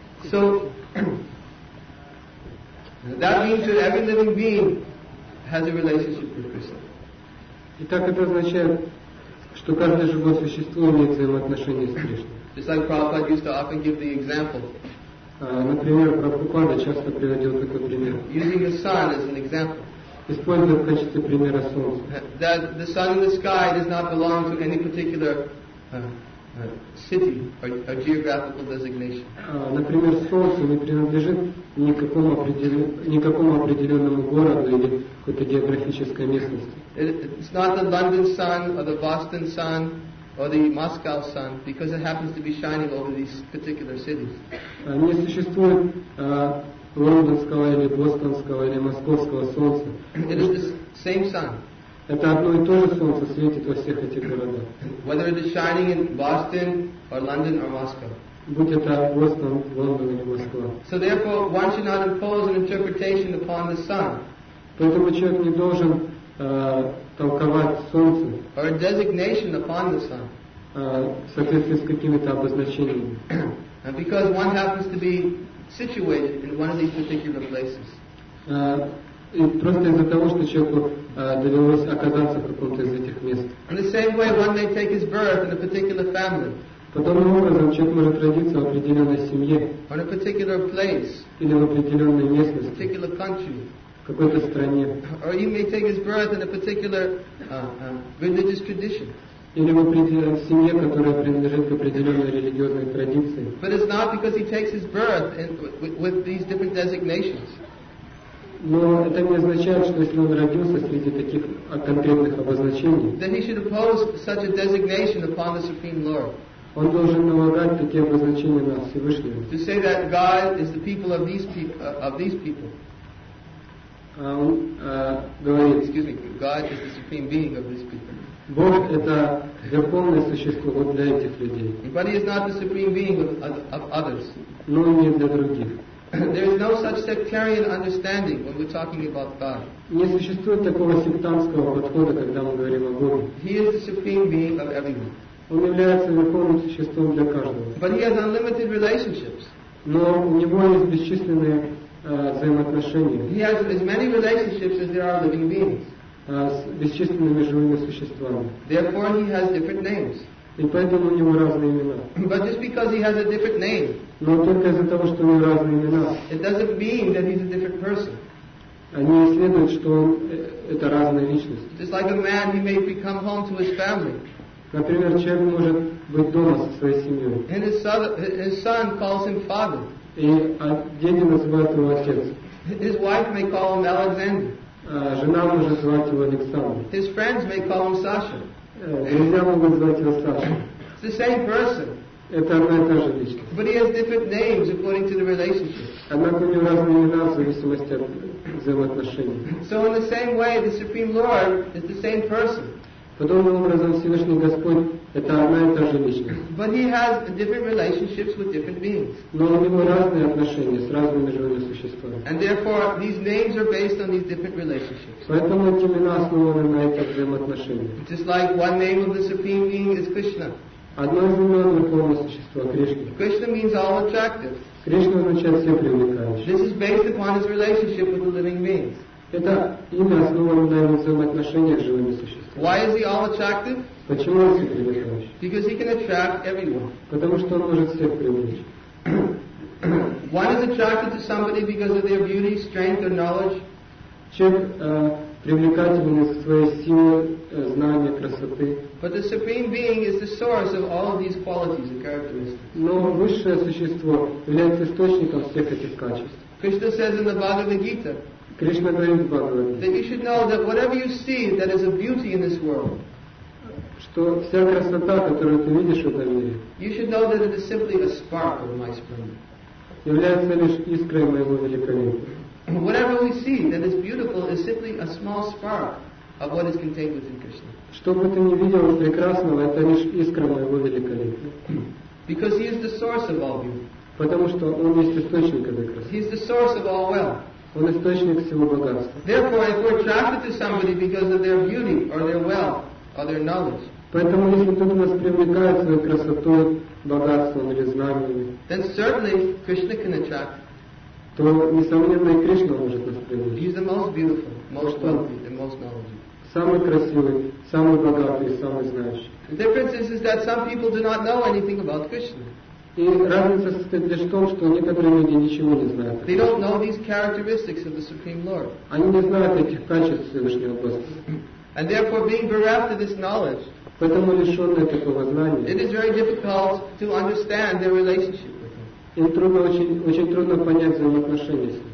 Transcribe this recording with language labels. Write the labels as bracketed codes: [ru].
[en] So that means that every living being has a relationship with Krishna. [ru] Итак, это означает, что каждое живое существо имеет взаимоотношение с Кришной. [en] Just like Prabhupada used to often give the example. [ru] Например, Прабхупада часто приводил такой пример. [en] Using his sun as an example. [ru] Используя в качестве примера солнца. [en] That the sun in the sky does not belong to any particular city or geographical designation. [ru] Например, солнце не принадлежит никакому определенному городу или какой-то географической местности. [en] It's not the London sun or the Boston sun or the Moscow sun because it happens to be shining over these particular cities. [ru] Не существует лондонского или бостонского или московского солнца. [en] It is the same sun. [ru] Это одно и то же солнце светит во всех этих городах. [en] Whether it is shining in Boston or London or Moscow. [ru] Будь это Бостон, Лондон или Москва. [en] So therefore, one should not impose an interpretation upon the sun. [ru] Поэтому человек не должен толковать солнце. [en] Or a designation upon the sun. [ru] В соответствии с какими-то обозначениями. [en] Because one happens to be situated in one of these particular places. [ru] Просто из-за того, что человеку довелось оказаться в каком-то из этих мест. [en] In the same way, one may take his birth in a particular family. [ru] Подобным образом человек может родиться в определенной семье. [en] Or a particular place. [ru] Или в определенной местности. [en] Particular country. [ru] В какой-то стране. [en] Or he may take his birth in a particular religious tradition. [ru] Или в определенной семье, которая принадлежит к определенной религиозной традиции. [en] But it's not because he takes his birth in, with these different designations. [ru] Но это не означает, что если он родился среди таких конкретных обозначений, [en] then he should impose such a designation upon the Supreme Lord. [ru] Он должен налагать такие обозначения на Всевышнего. [en] To say that God is the people of these people. Of these people. [ru] Говорит, [en] excuse me, God is the supreme being of these people. [ru] Бог — это верховное существо вот для этих людей. [en] But he is not the supreme being of others. [ru] Но и не для других. [en] There is no such sectarian understanding when we're talking about God. [ru] Не существует такого сектантского подхода, когда мы говорим о Боге. [en] He is the supreme being of everyone. [ru] Он является верховным существом для каждого. [en] But he has unlimited relationships. [ru] Но у него есть бесчисленные взаимоотношения. [en] He has as many relationships as there are living beings. [ru] С бесчисленными живыми существами. [en] Therefore, he has different names. [ru] И поэтому у него разные имена. [en] But just because he has a different name. [ru] Но только из-за того, что у него разные имена. [en] It doesn't mean that he's a different person. [ru] Они исследуют, что он это разная личность. [en] Just like a man, he may become home to his family. [ru] Например, человек может быть дома со своей семьей. [en] And his son calls him father. [ru] И дети называют его отец. [en] His wife may call him Alexander. [ru] Жена может звать его Александр. [en] His friends may call him Sasha. [ru] Друзья могут звать его Саша. [en] It's the same person. [ru] Это одна и та же личность. [en] But he has different names according to the relationship. [ru] Однако у него разные имена в зависимости от взаимоотношений. [en] So in the same way, the Supreme Lord is the same person. [ru] Подобным образом Всевышний Господь – это одна и та же личность. [en] But he has different relationships with different beings. [ru] Но у него разные отношения с разными живыми существами. [en] And therefore, these names are based on these different relationships. [ru] Поэтому эти имена основаны на этих взаимоотношениях. [en] Just like one name of the Supreme Being is Krishna. [ru] Одно из имен Верховного Существа – Кришна. [en] Krishna means all attractive. [ru] Кришна означает все привлекающие. [en] This is based upon his relationship with the living beings. [ru] Это имя основано на его взаимоотношениях с живыми существами. [en] Why is he all attractive? [ru] Почему он всех привлекающий? [en] Because he can attract everyone. [ru] Потому что он может всех привлечь. [en] One is attracted to somebody because of their beauty, strength, or knowledge. [ru] Привлекателен из своей силы, знания, красоты. [en] But the Supreme Being is the source of all of these qualities and characteristics. [ru] Но высшее существо является источником всех этих качеств. [en] Krishna says in the Bhagavad Gita. [ru] Кришна говорит в Бхагавад-гите. [en] That you should know that whatever you see that is a beauty in this world. [ru] Что вся красота, которую ты видишь в этом мире. [en] You should know that it is simply a spark of my splendor. [ru] Является лишь искрой моего великолепия. [en] Whatever we see that is beautiful is simply a small spark of what is contained within Krishna. [ru] Что бы ты ни видел прекрасного, это лишь искра моего великолепия. [en] Because he is the source of all beauty. [ru] Потому что он есть источник этой красоты. [en] He is the source of all wealth. [ru] Он источник всего богатства. [en] Therefore, if we're attracted to somebody because of their beauty or their wealth or their knowledge. [ru] Поэтому если кто-то нас привлекает своей красотой, богатством или знаниями. [en] Then certainly Krishna can attract. [ru] То, несомненно, и Кришна может нас привлечь. [en] He is the most beautiful, most wealthy, and most knowledgeable. [ru] Самый красивый, самый богатый, самый знающий. [en] The difference is that some people do not know anything about Krishna. [ru] И разница состоит лишь в том, что некоторые люди ничего не знают. [en] They don't know these characteristics of the Supreme Lord. [ru] Они не знают этих качеств Всевышнего Господа. [en] And therefore, being bereft of this knowledge, [ru] поэтому лишённые такого знания, [en] it is very difficult to understand their relationship. [ru] И трудно, очень трудно понять взаимоотношения с ним.